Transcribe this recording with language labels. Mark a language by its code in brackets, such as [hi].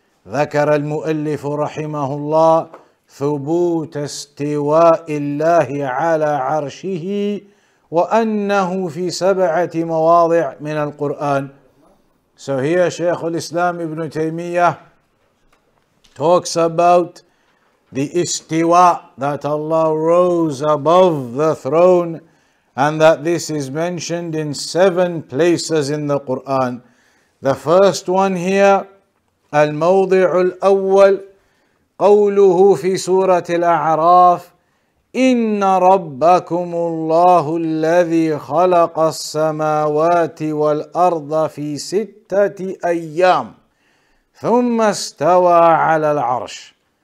[ar] ذكر المؤلف رحمه الله ثبوت استواء الله على عرشه وأنه في سبعة مواضع من القرآن. [en] So here Shaykh al-Islam ibn Taymiyyah talks about the istiwa, that Allah rose above the throne, and that this is mentioned in seven places in the Quran. The first one here, [ar] الموضع الأول قوله في سورة الأعراف إن ربكم الله الذي خلق السماوات والأرض في ستة أيام ثم استوى على العرش.